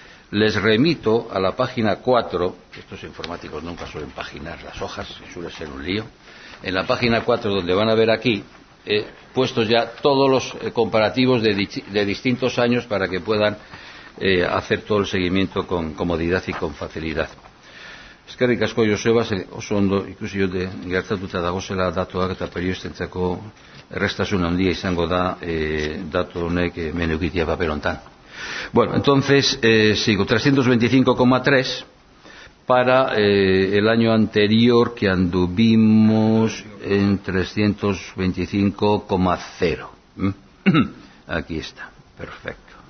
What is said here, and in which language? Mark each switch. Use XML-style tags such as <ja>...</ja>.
<es>les remito a la página 4, estos informáticos nunca suelen paginar las hojas, suele ser un lío, en la página 4 donde van a ver aquí, puestos ya todos los comparativos de distintos años para que puedan hacer todo el seguimiento con comodidad y con facilidad.</es> <eu>Eskerrik asko Joseba, oso ondo ikusi jote gertatuta dagozela datuak eta periodistentzako errestasun handia izango da datu honek hemen eukitia paper hontan.</eu> <es>Bueno, entonces sigo, 325,3 para el año anterior que anduvimos en 325,0. Aquí está, perfecto.</es>